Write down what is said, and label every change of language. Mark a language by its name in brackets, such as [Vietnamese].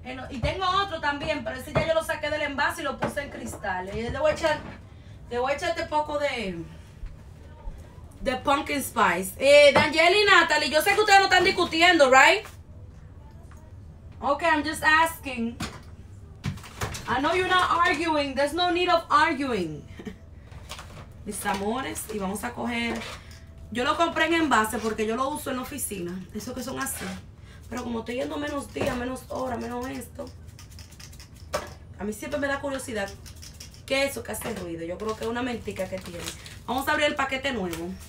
[Spanish] Y tengo otro también, pero ese ya yo lo saqué del envase y lo puse en cristal. Y le voy a echar, le voy a echar este poco de pumpkin spice. Daniel y Natalie, yo sé que ustedes no están discutiendo, [English] right? Okay, I'm just asking. I know you're not arguing. There's no need of arguing. [Spanish] Mis amores, y vamos a coger... Yo lo compré en envase porque yo lo uso en la oficina. Eso que son así. Pero como estoy yendo menos días, menos horas, menos esto. A mí siempre me da curiosidad. ¿Qué es eso que hace ruido? Yo creo que es una mentica que tiene. Vamos a abrir el paquete nuevo.